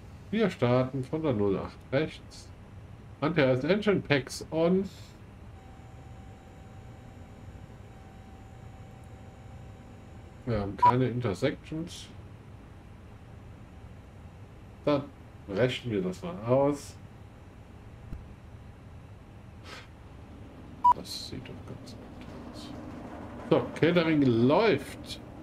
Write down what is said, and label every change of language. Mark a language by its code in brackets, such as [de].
[de] Wir starten von der 08 rechts. [en] Hunter has engine packs on. [de] Wir haben keine Intersections. Dann rechnen wir das mal aus. Das sieht doch ganz gut aus. So, Catering läuft.